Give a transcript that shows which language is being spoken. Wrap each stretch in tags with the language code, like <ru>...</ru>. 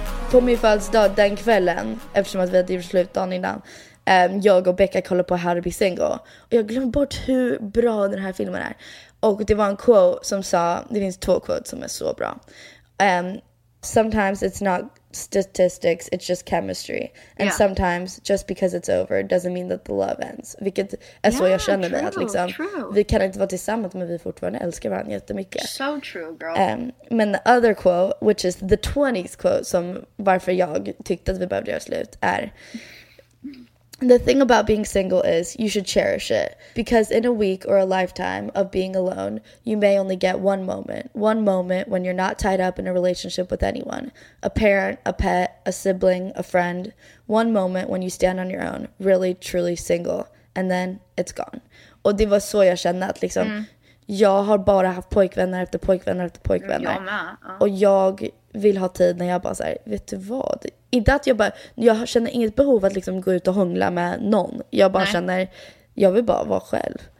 <sv>På min födelsedag den kvällen, eftersom att vi hade gjort slut dagen innan, jag och Becka kollade på Harry Bisengo. Och jag glömde bort hur bra den här filmen är. Och det var en quote som sa, det finns två quotes som är så bra.</sv> <en>sometimes it's not statistics, it's just chemistry. And sometimes just because it's over doesn't mean that the love ends.</en> <sv>Vilket är så jag känner med att liksom, vi kan inte vara tillsammans men vi fortfarande älskar varandra jättemycket.</sv> <en>So true, girl.</en> <sv>Men</sv> <en>the other quote, which is the 20s quote,</en> <sv>som varför jag tyckte att vi behövde göra slut, är</sv> <en>the thing about being single is you should cherish it. Because in a week or a lifetime of being alone, you may only get one moment. One moment when you're not tied up in a relationship with anyone. A parent, a pet, a sibling, a friend. One moment when you stand on your own, really, truly single. And then it's gone.</en> <sv>Och det var så jag kände att liksom, jag har bara haft pojkvänner efter pojkvänner efter pojkvänner. Och jag vill ha tid när jag bara säger, vet du vad? Inte att jag bara, jag känner inget behov att liksom gå ut och hångla med någon. Jag bara känner, jag vill bara vara själv.</sv>